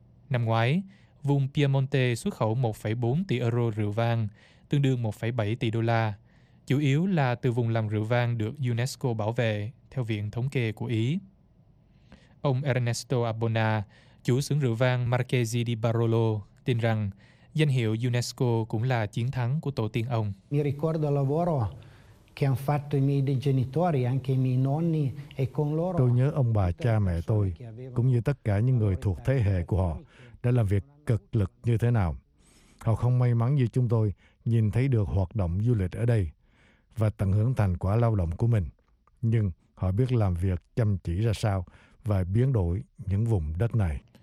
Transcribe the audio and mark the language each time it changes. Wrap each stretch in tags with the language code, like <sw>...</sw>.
<vi>Năm ngoái, vùng Piemonte xuất khẩu 1,4 tỷ euro rượu vang, tương đương 1,7 tỷ đô la, chủ yếu là từ vùng làm rượu vang được UNESCO bảo vệ, theo Viện Thống kê của Ý. ông Ernesto Abona, chủ xưởng rượu vang Marchesi di Barolo, tin rằng danh hiệu UNESCO cũng là chiến thắng của tổ tiên ông.</vi> <it>Mi ricordo il lavoro che hanno fatto i miei genitori, anche i miei nonni e con loro.</it> <vi>Tôi nhớ ông bà cha mẹ tôi cũng như tất cả những người thuộc thế hệ của họ đã làm việc cực lực như thế nào. Họ không may mắn như chúng tôi nhìn thấy được hoạt động du lịch ở đây và tận hưởng thành quả lao động của mình, nhưng họ biết làm việc chăm chỉ ra sao và biến đổi những vùng đất này.</vi>